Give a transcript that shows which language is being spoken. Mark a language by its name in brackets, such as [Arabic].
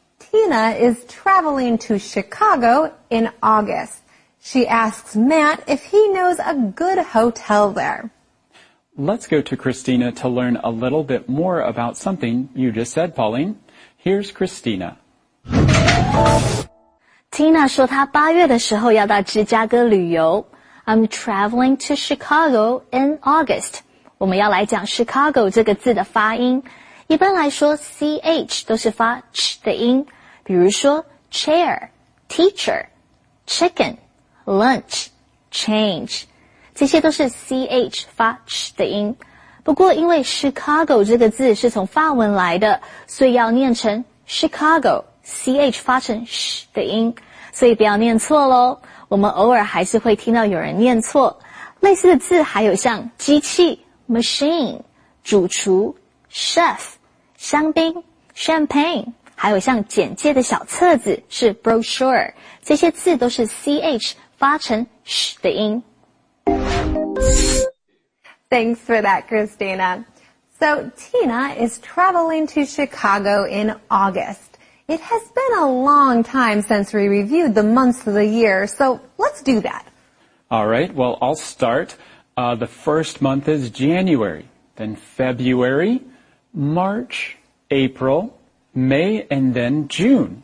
[English] Tina is traveling to Chicago in August. She asks Matt if he knows a good hotel there. Let's go to Christina to learn a little bit more about something you just said, Pauline. Here's Christina. [Chinese] Tina 说她八月的时候要到芝加哥旅游。 [English] I'm traveling to Chicago in August. [Chinese] 我们要来讲 Chicago 这个字的发音。一般来说 CH 都是发 CH 的音。比如说 chair, teacher, chicken, lunch, change. 这些都是 CH 发 CH 的音。不过因为 Chicago 这个字是从法文来的，所以要念成 Chicago。 CH 发成 SH 的音，所以不要念错咯。我们偶尔还是会听到有人念错。类似的字还有像机器 machine, 主厨 chef, 香槟 champagne, 还有像简介的小册子是 brochure, 这些字都是 CH 发成 SH 的音。 [English] Thanks for that, Christina. So Tina is traveling to Chicago in August. It has been a long time since we reviewed the months of the year, so let's do that. All right, well, I'll start. The first month is January, then February, March, April, May, and then June.